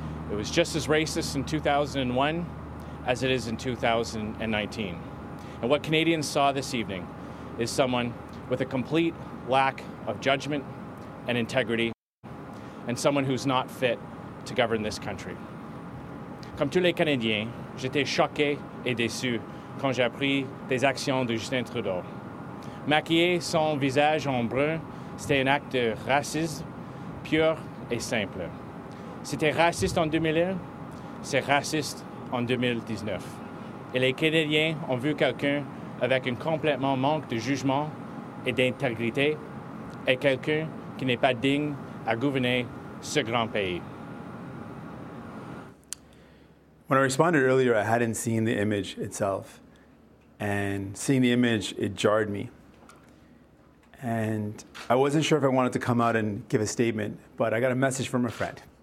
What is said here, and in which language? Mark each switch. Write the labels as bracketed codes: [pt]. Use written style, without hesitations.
[en] It was just as racist in 2001 as it is in 2019. And what Canadians saw this evening is someone with a complete lack of judgment and integrity, and someone who's not fit to govern this country. [fr] Comme tous les Canadiens, j'étais choqué et déçu quand j'ai appris des actions de Justin Trudeau. Maquiller son visage en brun, c'était un acte raciste pur et simple. C'était raciste en 2001, c'est raciste en 2019. Et les Canadiens ont vu quelqu'un avec un complètement manque de jugement et d'intégrité et quelqu'un qui n'est pas digne à gouverner ce grand pays. [en] When I responded earlier, I hadn't seen the image itself. And seeing the image, it jarred me. And I wasn't sure if I wanted to come out and give a statement, but I got a message from a friend.